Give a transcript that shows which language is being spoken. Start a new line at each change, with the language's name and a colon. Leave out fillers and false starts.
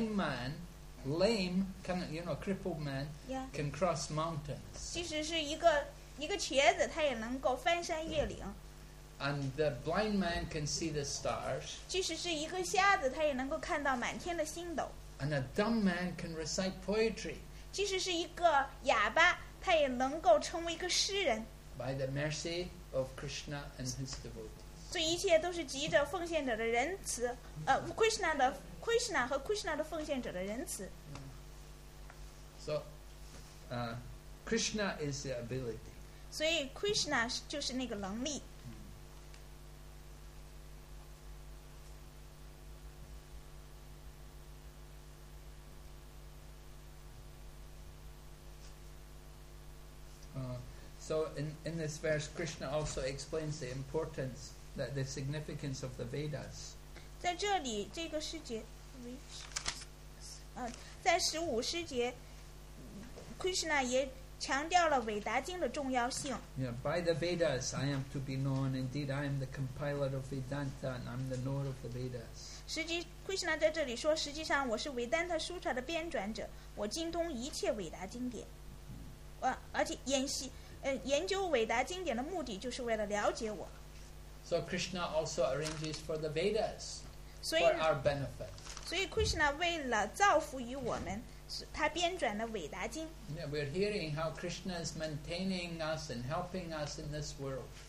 English: A lame man, can, you know, crippled man, yeah. can cross mountains.
Chinese: 其实是一个瘸子，他也能够翻山越岭。
English: And the blind man can see the stars.
Chinese: 即使是一个瞎子，他也能够看到满天的星斗。
English: And a dumb man can recite poetry.
Chinese: 即使是一个哑巴，他也能够成为一个诗人。
English: By the mercy of Krishna and his devotees.
Chinese: 这一切都是急着奉献者的仁慈 Krishna和奉献者的仁慈
English: So Krishna is the ability
Chinese: 所以Krishna就是那个能力
English: So in this verse Krishna also explains the importance that the significance of the Vedas.
Chinese: 在这里这个诗节，在十五诗节， Krishna 也强调了韦达经的重要性。
English: Yeah, by the Vedas I am to be known. Indeed, I am the compiler of Vedanta, and I'm the knower of the Vedas.
Chinese: 实际 Krishna 在这里说，实际上我是韦丹特书册的编撰者，我精通一切韦达经典。而且研究韦达经典的目的就是为了了解我。
English: So Krishna also arranges for the Vedas for our benefit. So
Chinese: Krishna 为了造福于我们, 他编撰了韦达经。
English: Yeah, we're hearing how Krishna is maintaining us and helping us in this world.